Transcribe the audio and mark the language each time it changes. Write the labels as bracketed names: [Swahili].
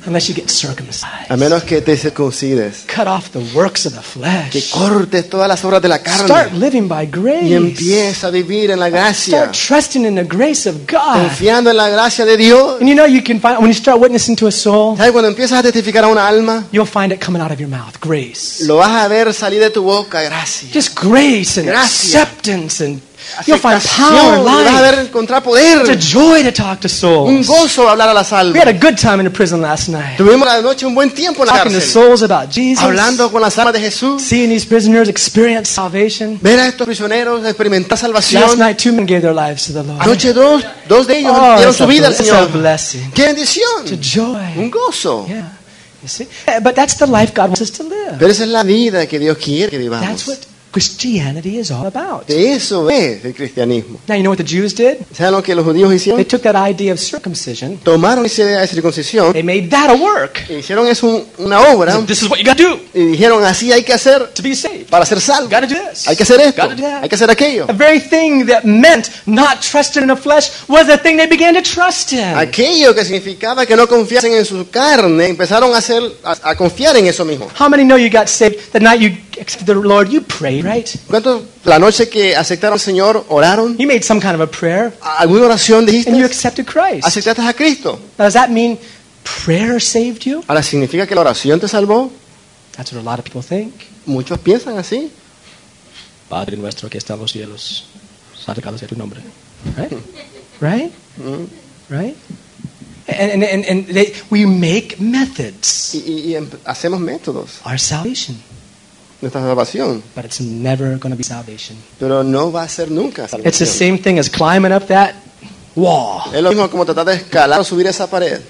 [English] Unless you get circumcised. [Spanish] A menos que te circuncides. [English] Cut off the works of the flesh. [Spanish] Que cortes todas las obras de la carne. [English] Start living by grace. [Spanish] Y empieza a vivir en la gracia. [English] Start trusting in the grace of God. [Spanish] Confiando en la gracia de Dios. [English] And you know you can find when you start witnessing to a soul. [Spanish] ¿Sabes? Cuando empiezas a testificar a una alma, [English] you'll find it coming out of your mouth, grace. [Spanish] Lo vas a ver salir de tu boca, gracia. [English] Just grace and [Spanish] gracia. [English] Acceptance and you'll find power, life. [Spanish] Vas a ver encontrar poder. [English] It's a joy to talk to souls. [Spanish] Un gozo hablar a las almas. [English] We had a good time in the prison last night. [Spanish] Tuvimos la noche un buen tiempo en la [English] talking [Spanish] cárcel. [English] Talking to souls about Jesus. [Spanish] Hablando con las almas de Jesús. [English] Seeing these prisoners experience salvation. [Spanish] Ver a estos prisioneros experimentar salvación. [English] Last night, 2 men gave their lives to the Lord. [Spanish] Anoche dos de ellos dieron su vida al Señor. [English] It's a blessing. [Spanish] Qué bendición. [English] It's a joy. [Spanish] Un gozo. [English] Yeah. You see? But that's the life God wants us to live. [Spanish] Pero esa es la vida que Dios quiere que vivamos. [English] That's what Christianity is all about. [Spanish] De eso es el cristianismo. [English] Now you know what the Jews did? [Spanish] ¿Saben lo que los judíos hicieron? [English] They took that idea of circumcision. [Spanish] Tomaron esa idea de circuncisión. [English] They made that a work. [Spanish] Y hicieron eso una obra. [English] This is what you got to do. [Spanish] Y dijeron así hay que hacer. [English] To be saved. [Spanish] Para ser salvo. [English] Got to do this. [Spanish] Hay que hacer esto. [English] Got to do that. [Spanish] Hay que hacer aquello. [English] The very thing that meant not trusting in the flesh was the thing they began to trust in. [Spanish] Aquello que significaba que no confiasen en su carne empezaron a confiar en eso mismo. [English] How many know you got saved the night you accepted the Lord? You prayed. [Spanish] ¿Cuánto la noche que aceptaron al Señor oraron? [English] You made some kind of a prayer. [Spanish] ¿Alguna oración dijiste? [English] And you accepted Christ. [Spanish] ¿Aceptaste a Cristo? [English] Now, does that mean prayer saved you? [Spanish] ¿Ahora significa que la oración te salvó? [English] That's what a lot of people think. [Spanish] Muchos piensan así. Padre nuestro que está en los cielos, santificado sea tu nombre. [English] Right? Right? And we make methods. [Spanish] Y hacemos métodos. [English] Our salvation. [Spanish] Nuestra salvación. [English] But it's never going to be salvation. [Spanish] Pero no va a ser nunca salvación. [English] It's the same thing as climbing up that wall. [Spanish] Es lo mismo como tratar de escalar o subir esa pared.